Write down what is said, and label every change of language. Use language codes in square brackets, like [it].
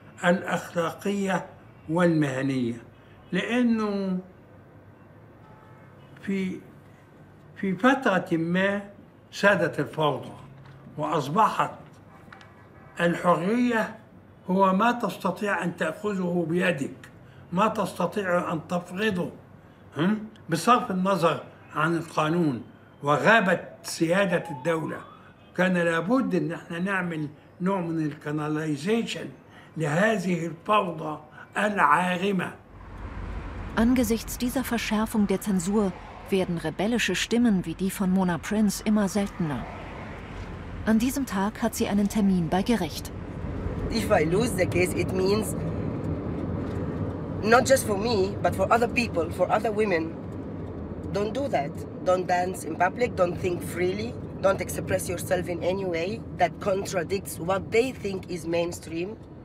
[ar] الأخلاقية والمهنية، لأنه في فترة ما سادت الفوضى وأصبحت الحرية هو ما تستطيع أن تأخذه بيدك، ما تستطيع أن تفرضه بصرف النظر عن القانون. وغابت سيادة الدولة، كان لابد أن احنا نعمل نوع من الكاناليزيشن لهذه الفوضى العارمة. [de] Angesichts dieser Verschärfung der Zensur werden rebellische Stimmen wie die von Mona Prince immer seltener. An diesem Tag hat sie einen Termin bei Gericht. [en] If I lose the case, it means not just for me, but for other people, for other women. Don't do that. Don't dance in public, don't think freely, don't express yourself in any way that contradicts what they think is mainstream.